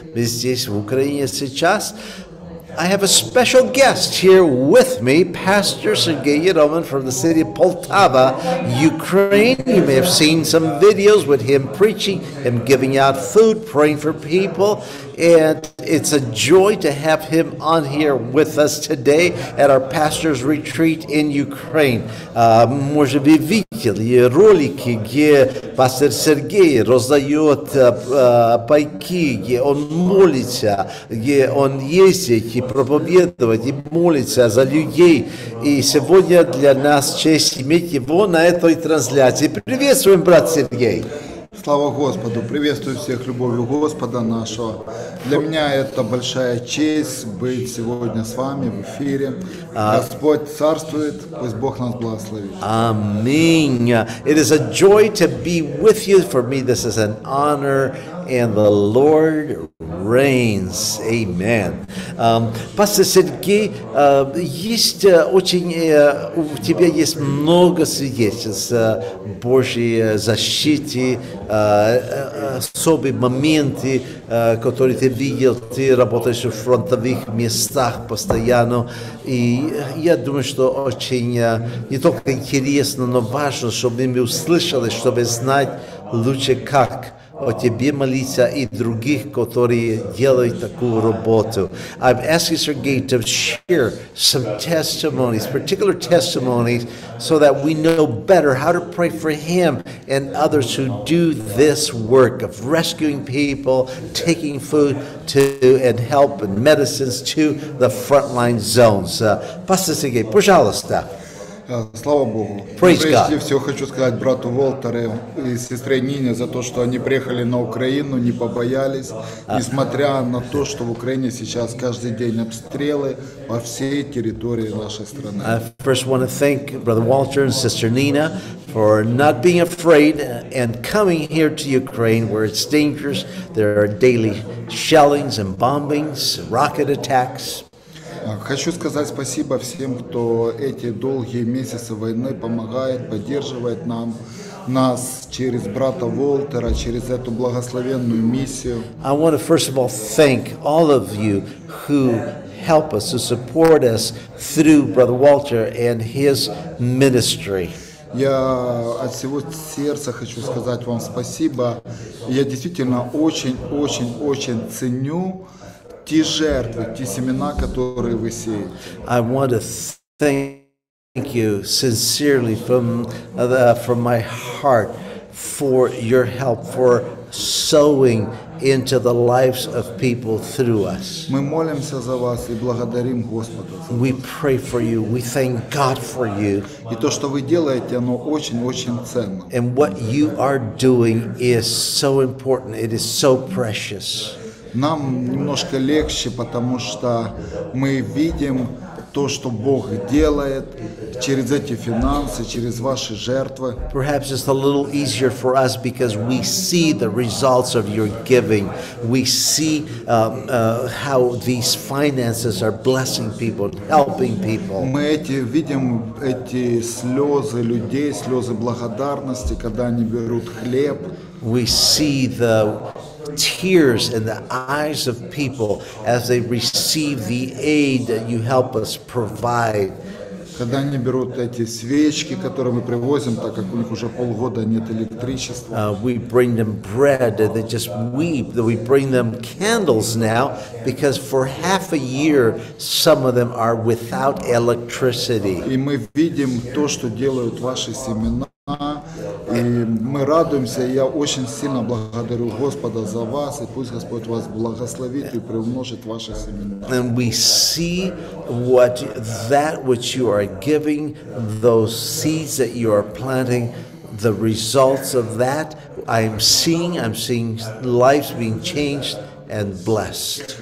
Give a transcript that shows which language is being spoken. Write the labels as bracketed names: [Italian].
[Russian] Мы здесь в Украине сейчас. [English] I have a special guest here with me, Pastor Sergei Yeroman from the city of Poltava, Ukraine. You may have seen some videos with him preaching, him giving out food, praying for people. And it's a joy to have him on here with us today at our pastor's retreat in Ukraine. [Russian] Може ви видели ролики, где пастор Сергей роздает пайки, где он молится, где он ездит и проповедует, и молится за людей. И сегодня для нас честь иметь его на этой трансляции. Приветствуем, брат Сергей. Слава Господу! Приветствую всех любовью Господа нашего. Для меня это большая честь быть сегодня с вами в эфире. Господь царствует, пусть Бог нас благословит. [English] Аминь. It is a joy to be with you. For me this is an honor, and the Lord reigns. Amen. [Russian] Пастор Сергей, есть очень, у тебя есть много свидетельств Божьей защиты, особые моменты, которые ты видел, ты работаешь в фронтовых местах постоянно. И я думаю, что очень не только интересно, но важно, чтобы мы услышали, чтобы знать лучше, как о тебе молиться и других, которые делают такую работу. [English] I'm asking Sergei to share some testimonies, particular testimonies, so that we know better how to pray for him and others who do this work of rescuing people, taking food to and help and medicines to the frontline zones. [Russian] Пастор Сергей, пожалуйста. Слава Богу. [English] Praise God. [Russian] Прежде всего хочу сказать брату Волтеру и сестре Нине за то, что они приехали на Украину, не побоялись, несмотря на то, что в Украине сейчас каждый день обстрелы по всей территории нашей страны. [English] I first want to thank brother Walter and sister Nina for not being afraid and coming here to Ukraine, where it's dangerous. There are daily shellings and bombings, rocket attacks. [Russian] Хочу сказать спасибо всем, кто эти долгие месяцы войны помогает, поддерживает нам, нас через брата Волтера, через эту благословенную миссию. [English] I want to first of all thank all of you who help us, who support us through brother Walter and his ministry. [Russian] Я от всего сердца хочу сказать вам спасибо. Я действительно очень ценю те жертвы, те семена, которые вы сеете. [English] I want to thank you sincerely from my heart for your help, for sowing into the lives of people through us. [Russian] Мы молимся за вас и благодарим Господа. [English] We pray for you. We thank God for you. [Russian] И то, что вы делаете, оно очень-очень ценно. [English] And what you are doing is so important. It is so precious. [Russian] Нам немножко легче, потому что мы видим то, что Бог делает через эти финансы, через ваши жертвы. [English] Perhaps it's a little easier for us because we see the results of your giving. We see how these finances are blessing people, helping people. [Russian] Мы видим эти слезы людей, слезы благодарности, когда они берут хлеб. [English] We see the tears in the eyes of people as they receive the aid that you help us provide. [Russian] Когда они берут эти свечки, которые мы привозим, так как у них уже полгода нет электричества. [English] We bring them bread and they just weep. We bring them candles now because for half a year some of them are without electricity. [Russian] И мы видим то, что делают ваши семена. И И мы радуемся, и я очень сильно благодарю Господа за вас, и пусть Господь вас благословит и приумножит ваши семена. [English] And we see what that which you are giving, those seeds that you are planting, the results of that, I'm seeing lives being changed and blessed.